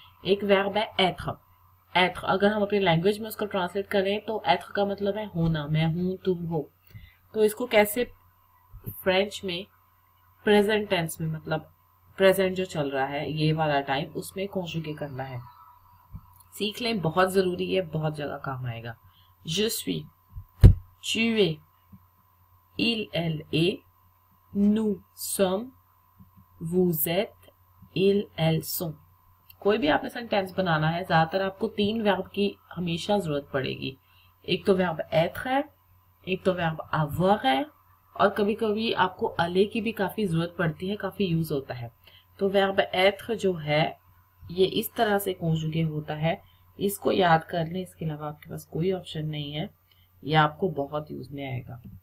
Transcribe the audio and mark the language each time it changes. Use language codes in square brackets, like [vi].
[hi] एक वर्ब है एथ। एथ अगर हम अपनी लैंग्वेज में उसको ट्रांसलेट करें तो एथ का मतलब है होना, मैं हूँ तुम हो। तो इसको कैसे फ्रेंच में प्रेजेंट टेंस में, मतलब प्रेजेंट जो चल रहा है ये वाला टाइम, उसमें कंजुगे करना है। सीख लें, बहुत जरूरी है, बहुत जगह काम आएगा। [fr] Je suis, tu es, il, elle est, nous sommes, vous êtes, ils, elles sont। [hi] कोई भी आपने सेंटेंस बनाना है, ज्यादातर आपको तीन वर्ब की हमेशा जरूरत पड़ेगी। एक तो वर्ब être है, एक तो वर्ब avoir है, और कभी कभी आपको अले की भी काफी जरूरत पड़ती है, काफी यूज होता है। तो वर्ब एथ जो है ये इस तरह से कंजुगे होता है, इसको याद कर लें, इसके अलावा आपके पास कोई ऑप्शन नहीं है, ये आपको बहुत यूज में आएगा।